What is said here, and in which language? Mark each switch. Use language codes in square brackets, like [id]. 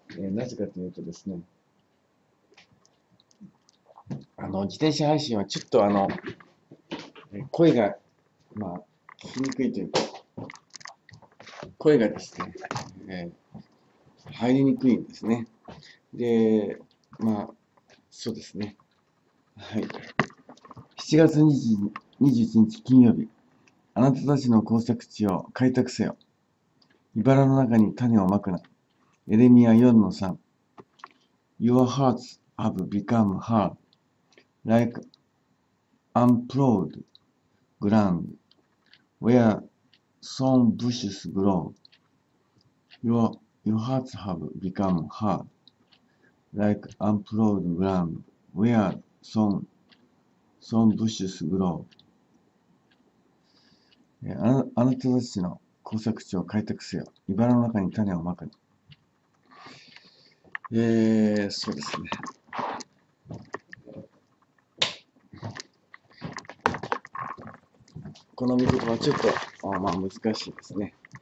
[ja] なぜかというとですね、自転車配信はちょっと声が、聞きにくいというか、声がですね、入りにくいんですね。で、そうですね。はい。 7月21日金曜日、あなたたちの耕作地を開拓せよ。茨の中に種をまくな。エレミア4の3。 [en] Your hearts have become hard, like unplowed ground, where thorn bushes grow. Your hearts have become hard. Like unplowed ground, where thorn bushes grow. [ja] あなたたちの耕作地を開拓せよ。茨の中に種をまかに。そうですね。この見事はちょっと、難しいですね。